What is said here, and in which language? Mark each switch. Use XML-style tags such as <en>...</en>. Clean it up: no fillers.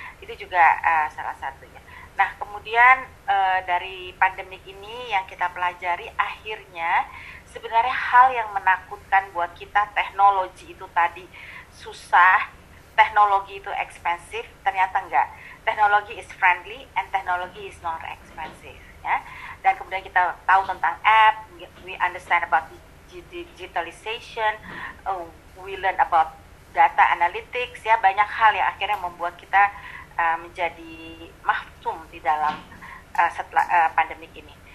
<id>Itu juga salah satunya. Nah, kemudian dari pandemik ini yang kita pelajari, akhirnya sebenarnya hal yang menakutkan buat kita, teknologi itu tadi susah, teknologi itu expensive, ternyata enggak.</id> <en>Teknologi is friendly and technology is not expensive.</en> <id>Ya. Dan kemudian kita tahu tentang app,</id> <en>we understand about digitalization, we learn about data analytics,</en> <id>ya banyak hal yang akhirnya membuat kita menjadi mahfum di dalam setelah pandemik ini.</id>